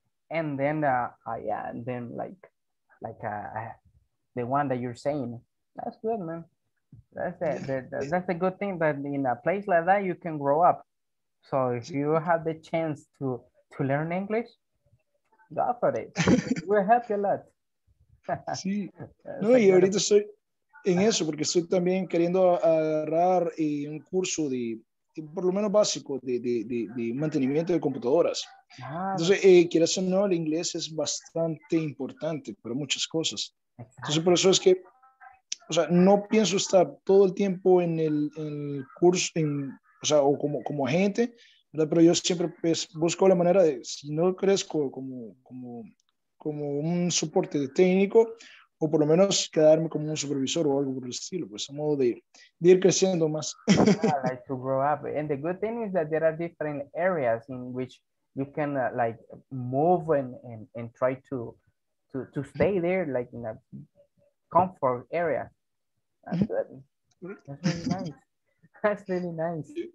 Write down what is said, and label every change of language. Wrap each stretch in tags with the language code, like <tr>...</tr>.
<en>And then, yeah, and then the one that you're saying, that's good, man. That's a good thing that in a place like that, you can grow up. So if you have the chance to learn English, go for it. It will help you a lot.</en> <es>Sí, no, y ahorita estoy en eso porque estoy también queriendo agarrar un curso de por lo menos básico de mantenimiento de computadoras. Entonces, quieras o no, el inglés es bastante importante para muchas cosas. Entonces, por eso es que, o sea, no pienso estar todo el tiempo en el curso, o sea, o como agente, ¿verdad? Pero yo siempre pues, busco la manera de, si no crezco como un soporte técnico, o por lo menos quedarme como un supervisor o algo por el estilo, pues a modo de ir creciendo más.</es> <en>I like to grow up. And the good thing is that there are different areas in which you can like move and try to stay there like in a comfort area. That's really nice. That's really nice.</en>